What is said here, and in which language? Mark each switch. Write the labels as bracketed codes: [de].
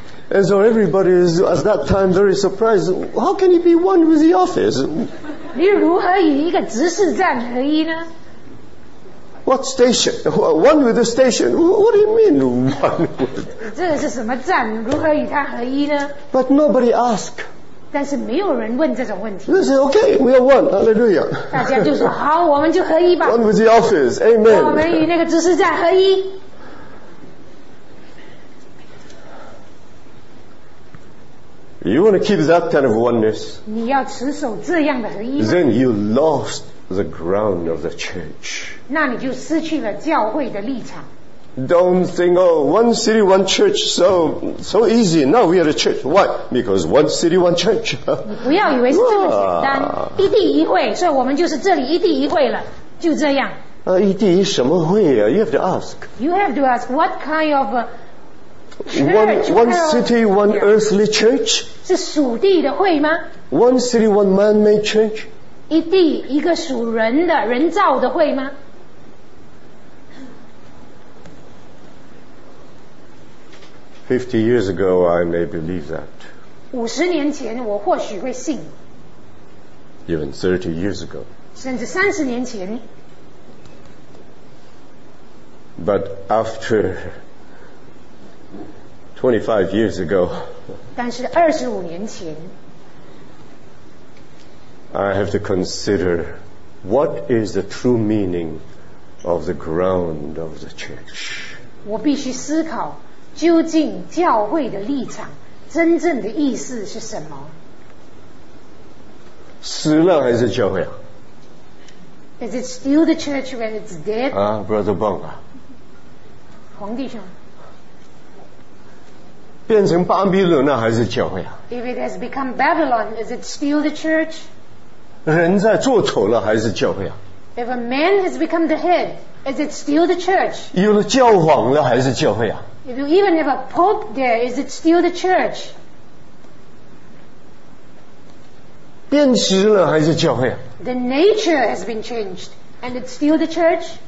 [en] And so everybody is at that time very surprised. How can he be one with the office? [zh] 你如何与一个执事站合一呢？ [en] What station? One with the station. What do you mean, one with? [zh] 这个是什么站？如何与它合一呢？ [en] But nobody ask. [zh] 但是没有人问这种问题。 [en] They say, okay, we are one. Hallelujah. [zh] 大家就说好，我们就合一吧。 [en] One with the office. Amen. [zh] 我们与那个执事站合一。 [en] You want to keep that kind of oneness? [zh] 你要持守这样的合一。 [en] Then you lost the ground of the church. [zh] 那你就失去了教会的立场。 [en] Don't think, oh, one city, one church, so easy. Now we are a church. Why? Because one city, one church. [zh] 你不要以为是这么简单，一地一会，所以我们就是这里一地一会了，就这样。一地一什么会啊？ [en] You have to ask. You have to ask what kind of a One city, one earthly church? [zh] 是属地的会吗？ [en] One city, one man-made church? [zh] 一地一个属人的人造的会吗？ [en] 50 years ago, I may believe that. [zh] 50年前，我或许会信。 [en] Even 30 years ago. [zh] 甚至30年前。 [en] But after 25 years ago. [zh] 但是25年前。 [en] I have to consider what is the true meaning of the ground of the church. [zh] 我必须思考究竟教会的立场真正的意思是什么？死了还是教会啊？ [en] Is it still the church when it's dead? Brother Bong [zh] 啊，皇帝兄，变成巴比伦了还是教会啊？ [en] If it has become Babylon, is it still the church? [zh] 人在做丑了还是教会啊？ [en] If a man has become the head, is it still the church? [zh] 有了教皇了还是教会啊？ [en] If you even have a pope there, is it still the church? [zh] 变质了还是教会啊？ [en] The nature has been changed, and it's still the church?